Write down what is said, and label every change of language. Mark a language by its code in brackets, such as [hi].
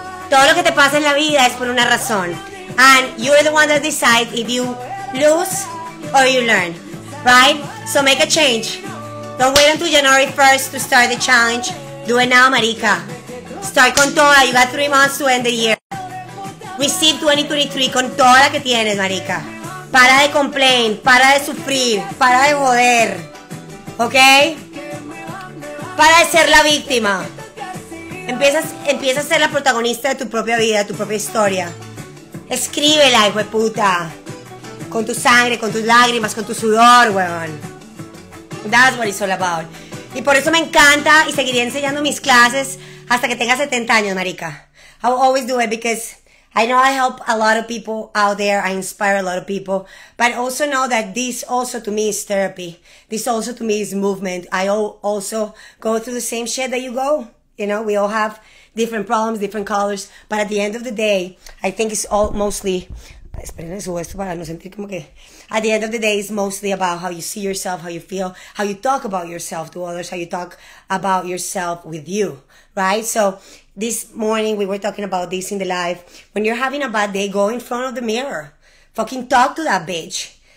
[es] Todo lo que te pasa en la vida es por una razón. [en] And you're the one that decides if you lose or you learn. Right? So make a change. Don't wait until January 1st to start the challenge. Do it now, marica. Start [es] con toda, [en] you got 3 months to end the year. [es] Receive 2023 con toda que tienes, marica. Para de complain, para de sufrir, para de joder. ¿Ok? Para de ser la víctima. Empieza a ser la protagonista de tu propia vida, de tu propia historia. Escríbela, hijo de puta. Con tu sangre, con tus lágrimas, con tu sudor, weón. [en] That's what it's all about. [es] Y por eso me encanta y seguiré enseñando mis clases hasta que tenga 70 años, marica. [en] I will always do it because I know I help a lot of people out there. I inspire a lot of people. But also know that this also to me is therapy. This also to me is movement. I also go through the same shit that you go. You know, we all have different problems, different colors. But at the end of the day, I think it's all mostly... [es] Esperen eso, esto para no sentir como que... [en] At the end of the day, it's mostly about how you see yourself, how you feel, how you talk about yourself to others, how you talk about yourself with you, right? So this morning, we were talking about this in the live. When you're having a bad day, go in front of the mirror. Fucking talk to that bitch.